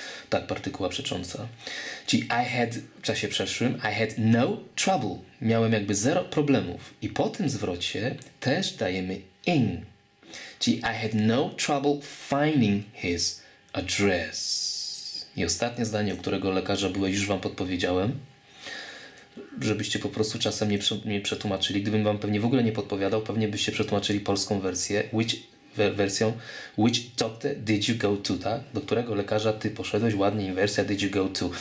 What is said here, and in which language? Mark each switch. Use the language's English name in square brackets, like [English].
[Polish] Tak, partykuła przecząca. Czyli I had, w czasie przeszłym, [English] I had no trouble. [Polish] Miałem jakby zero problemów. I po tym zwrocie też dajemy in. Czyli [English] I had no trouble finding his address. [Polish] I ostatnie zdanie, u którego lekarza byłeś, już wam podpowiedziałem. Żebyście po prostu czasem nie przetłumaczyli. Gdybym wam pewnie w ogóle nie podpowiadał, pewnie byście przetłumaczyli polską wersję. Wersją [English] which doctor did you go to, [Polish] tak? Do którego lekarza ty poszedłeś, ładnie inwersja [English] did you go to.